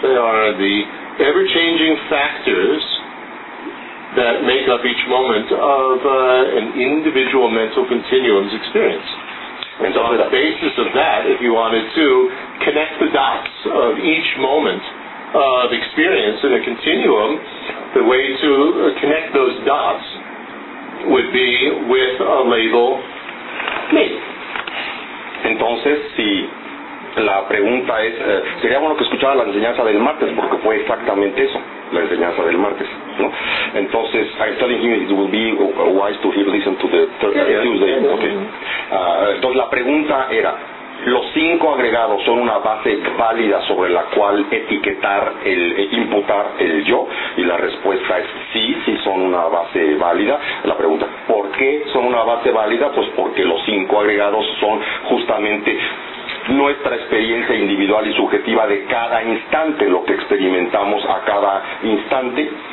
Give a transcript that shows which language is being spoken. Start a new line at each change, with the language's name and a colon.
English: They are the ever-changing factors that make up each moment of an individual mental continuum's experience. And so on the basis of that, if you wanted to connect the dots of each moment of experience in a continuum, the way to connect those dots would be with a label, me.
Spanish: Entonces, si la pregunta es, sería bueno que escuchara la enseñanza del martes, porque fue exactamente eso, la enseñanza del martes, ¿no? Entonces,
English: I'm telling him it will be wise to hear, listen to the Tuesday. Okay.
Spanish: Entonces, la pregunta era, ¿los cinco agregados son una base válida sobre la cual etiquetar, el imputar el yo? Y la respuesta es sí, sí son una base válida. La pregunta, ¿por qué son una base válida? Pues porque los cinco agregados son justamente nuestra experiencia individual y subjetiva de cada instante, lo que experimentamos a cada instante.